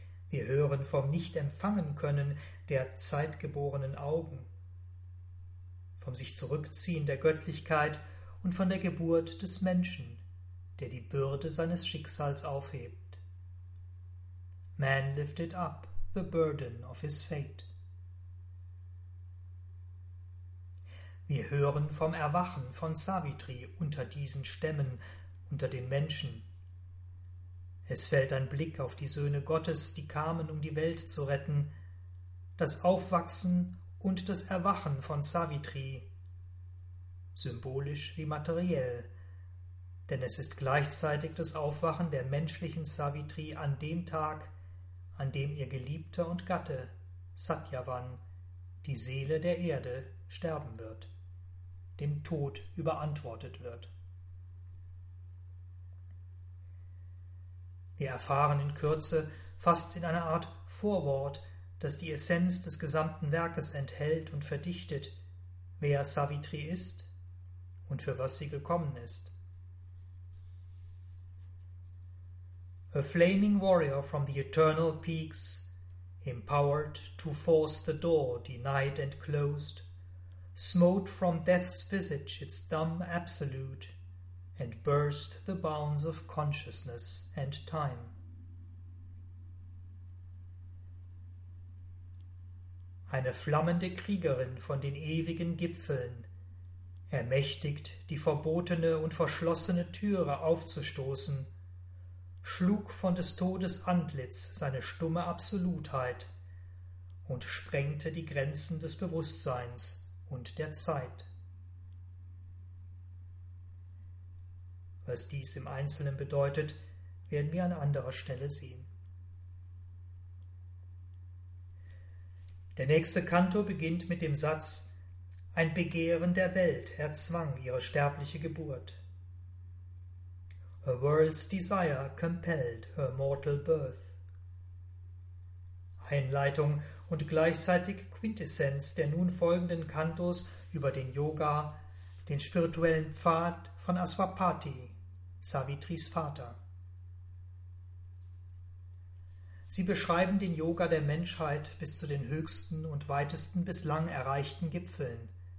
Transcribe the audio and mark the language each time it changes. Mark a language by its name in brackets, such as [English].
[German] Wir hören vom Nicht-Empfangen-Können der zeitgeborenen Augen, vom Sich-Zurückziehen der Göttlichkeit und von der Geburt des Menschen, der die Bürde seines Schicksals aufhebt. [English] Man lifted up the burden of his fate. [German] Wir hören vom Erwachen von Savitri unter diesen Stämmen, unter den Menschen. Es fällt ein Blick auf die Söhne Gottes, die kamen, um die Welt zu retten, das Aufwachsen und das Erwachen von Savitri, symbolisch wie materiell, denn es ist gleichzeitig das Aufwachen der menschlichen Savitri an dem Tag, an dem ihr Geliebter und Gatte, Satyavan, die Seele der Erde, sterben wird, dem Tod überantwortet wird. Wir erfahren in Kürze, fast in einer Art Vorwort, das die Essenz des gesamten Werkes enthält und verdichtet, wer Savitri ist und für was sie gekommen ist. [English] A flaming warrior from the eternal peaks, empowered to force the door denied and closed, smote from death's visage its dumb absolute, and burst the bounds of consciousness and time. [German] Eine flammende Kriegerin von den ewigen Gipfeln, ermächtigt, die verbotene und verschlossene Türe aufzustoßen, schlug von des Todes Antlitz seine stumme Absolutheit und sprengte die Grenzen des Bewusstseins und der Zeit. Was dies im Einzelnen bedeutet, werden wir an anderer Stelle sehen. Der nächste Kanto beginnt mit dem Satz: Ein Begehren der Welt erzwang ihre sterbliche Geburt. [English] A world's desire compelled her mortal birth. [German] Einleitung und gleichzeitig Quintessenz der nun folgenden Kantos über den Yoga, den spirituellen Pfad von Aswapati, Savitris Vater. Sie beschreiben den Yoga der Menschheit bis zu den höchsten und weitesten bislang erreichten Gipfeln.